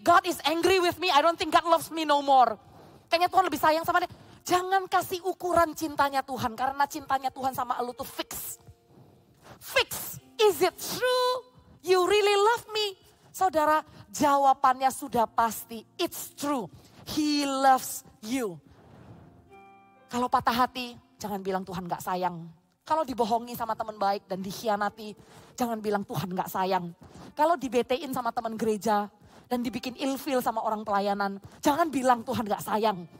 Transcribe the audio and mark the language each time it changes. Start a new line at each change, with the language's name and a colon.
English: God is angry with me, I don't think God loves me no more.
Indonesian: Kayaknya Tuhan lebih sayang sama dia. Jangan kasih ukuran cintanya Tuhan, karena cintanya Tuhan sama lo tuh fix.
English: Fix, is it true you really love me?
Indonesian: Saudara, jawabannya sudah pasti.
English: It's true. He loves you.
Indonesian: Kalau patah hati, jangan bilang Tuhan gak sayang. Kalau dibohongi sama teman baik dan dikhianati, jangan bilang Tuhan gak sayang. Kalau dibetein sama teman gereja dan dibikin ilfil sama orang pelayanan, jangan bilang Tuhan gak sayang.